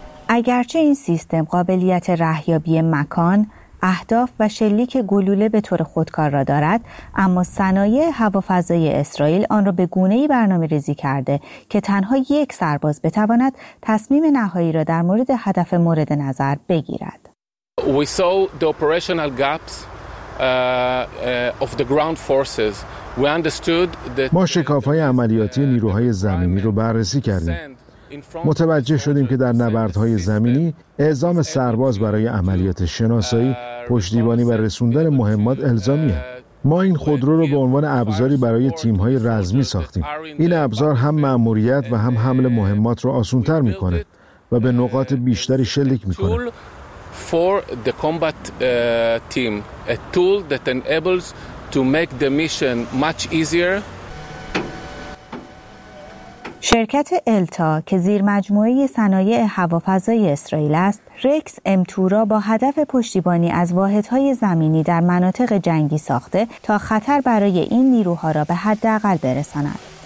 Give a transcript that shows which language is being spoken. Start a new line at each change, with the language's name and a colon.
Persian: اگرچه این سیستم قابلیت رهیابی مکان، اهداف و شلیک گلوله به طور خودکار را دارد، اما صنایع هوافضای اسرائیل آن را به گونه‌ای برنامه ریزی کرده که تنها یک سرباز بتواند تصمیم نهایی را در مورد هدف مورد نظر بگیرد.
English: We saw the operational gaps of the ground forces. We understood
Persian: ما شکاف‌های عملیاتی نیروهای زمینی را بررسی کردیم. متوجه شدیم که در نبردهای زمینی اعزام سرباز برای عملیات شناسایی، پشتیبانی و رسوندن مهمات الزامیه. ما این خودرو رو به عنوان ابزاری برای تیم‌های رزمی ساختیم. این ابزار هم مأموریت و هم حمل مهمات رو آسان‌تر می‌کنه و به نقاط بیشتری شلیک می‌کنه.
English: For the combat team, a tool that enables to make the mission much easier.
Persian: شرکت التا که زیرمجموعه صنایع هوافضای اسرائیل است، رکس M2 را با هدف پشتیبانی از واحدهای زمینی در مناطق جنگی ساخته تا خطر برای این نیروها را به حداقل برساند.